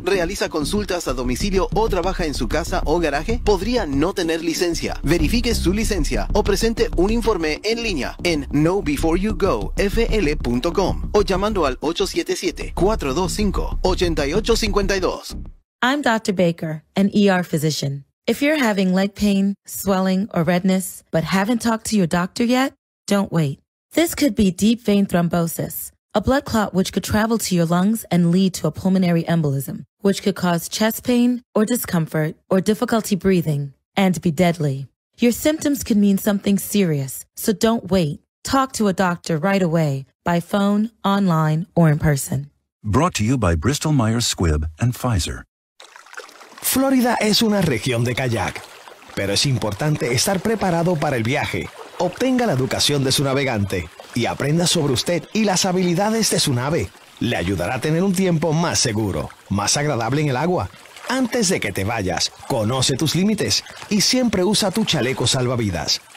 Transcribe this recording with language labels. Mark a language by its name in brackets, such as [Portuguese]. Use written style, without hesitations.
[Spanish] ¿Realiza consultas a domicilio o trabaja en su casa o garaje? Podría no tener licencia. Verifique su licencia o presente un informe en línea en knowbeforeyougofl.com o llamando al 877-425-8855. [English] I'm Dr. Baker, an ER physician. If you're having leg pain, swelling, or redness, but haven't talked to your doctor yet, don't wait. This could be deep vein thrombosis, a blood clot which could travel to your lungs and lead to a pulmonary embolism, which could cause chest pain or discomfort or difficulty breathing and be deadly. Your symptoms could mean something serious, so don't wait. Talk to a doctor right away, by phone, online, or in person. Brought to you by Bristol-Myers Squibb and Pfizer. [Spanish] Florida es una región de kayak, pero es importante estar preparado para el viaje. Obtenga la educación de su navegante y aprenda sobre usted y las habilidades de su nave. Le ayudará a tener un tiempo más seguro, más agradable en el agua. Antes de que te vayas, conoce tus límites y siempre usa tu chaleco salvavidas.